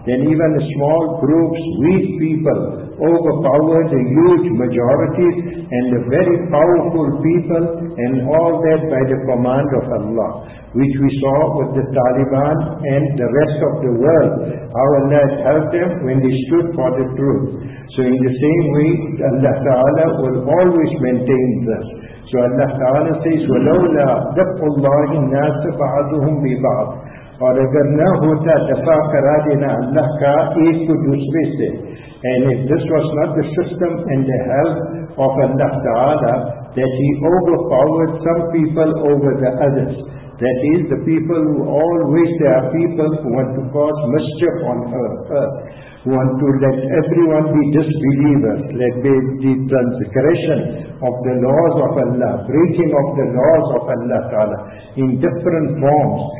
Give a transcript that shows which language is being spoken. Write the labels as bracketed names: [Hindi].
[English] Then even small groups, weak people, overpower the huge majorities and the very powerful people, and all that by the command of Allah, which we saw with the Taliban and the rest of the world, how Allah helped them when they stood for the truth. So in the same way, Allah Ta'ala will always maintain this. So Allah Ta'ala says, [Arabic] وَلَوْلَا دَفْعُ اللَّهِ النَّاسَ بَعَضُهُمْ بِبَعْضٍ. [Urdu] اور اگر نہ ہوتا دفع کرا دینا اللہ کا ایک کو دوسرے سے. [English] And if this was not the system and the help of Allah Ta'ala, that He overpowered some people over the others. That is, the people who always, there are people who want to cause mischief on earth, who want to let everyone be disbelievers, let be the transgression of the laws of Allah, breaking of the laws of Allah Ta'ala in different forms.